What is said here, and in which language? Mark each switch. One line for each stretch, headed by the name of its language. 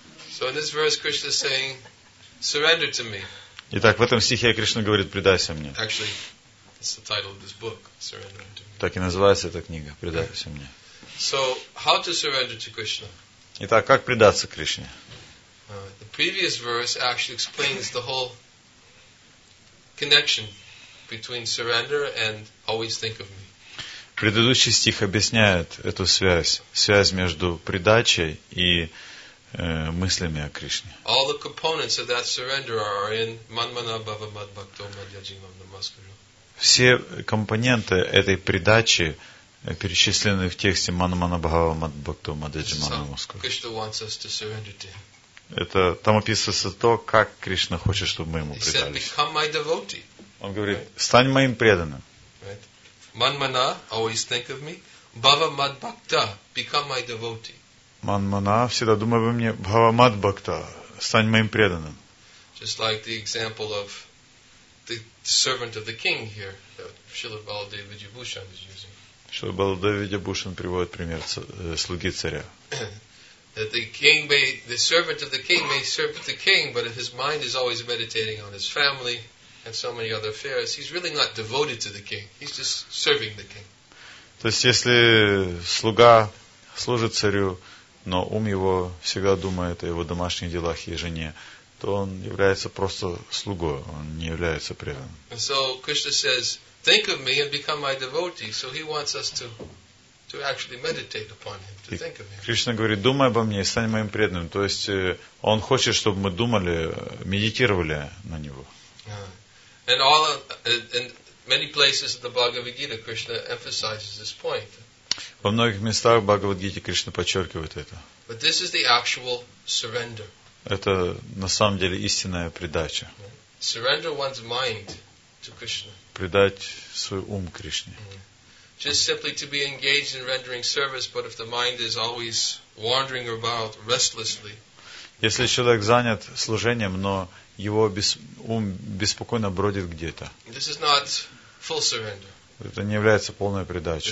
English: So in this verse, Krishna is saying, "Surrender to me."
Russian: Итак, в этом стихе Кришна говорит: "Предайся мне."
English: Actually, it's the title of this book, "Surrender to Me."
Russian: Так и называется эта книга: "Предайся мне."
English: So, how to surrender to Krishna?
Russian: Итак, как предаться Кришне?
English: The previous verse actually explains the whole connection between surrender and always think of me.
Russian: Предыдущий стих объясняет эту связь между предачей и мыслями о Кришне.
English: All the components of that surrender are in
Sanskrit: Manmana Bhava Mad Bhakto Madhyajimam Namaskaram.
Russian: Все компоненты этой предачи перечислены в тексте
Sanskrit: Манмана Бхава Мад Бхакто Мадхьяджимам Намаскарам.
English: Krishna wants us to surrender to him.
Russian: Это там описывается то, как Кришна хочет, чтобы мы ему предались.
English: He said, "Become my devotee."
Russian: Он говорит: "Стань моим преданным."
English: Right? Manmana, always think of me.
Sanskrit: Bhava Mad Bhakta,
English: become my devotee.
Russian: Манмана, всегда думай обо мне.
Sanskrit: Бхава Мад Бхакта,
Russian: стань моим преданным.
English: Just like the example of the servant of the king here that Srila Baladeva Vidyabhushan is using.
Russian: Srila Baladeva Vidyabhushan приводит пример слуги царя.
English: That the servant of the king may serve the king, but if his mind is always meditating on his family and so many other affairs, he's really not devoted to the king. He's just serving the king.
Russian: То есть, если слуга служит царю, но ум его всегда думает о его домашних делах и жене, то он является просто слугой, он не является преданным.
English: And so Krishna says, think of me and become my devotee. So he wants us to actually meditate upon him, to think of him.
Russian: Кришна говорит: думай обо мне и стань моим преданным. То есть он хочет, чтобы мы думали, медитировали на него.
English: And all in many places in the Bhagavad Gita, Krishna emphasizes this point.
Russian: Во многих местах Бхагавад-гите Кришна подчеркивает это.
English: But this is the actual surrender.
Russian: Это на самом деле истинная предача.
English: Surrender one's mind to Krishna.
Russian: Предать свой ум Кришне.
English: Just simply to be engaged in rendering service, but if the mind is always wandering about restlessly.
Russian: Если человек занят служением, но его ум беспокойно бродит где-то.
English: This is not full surrender.
Russian: Это не является полной предачей.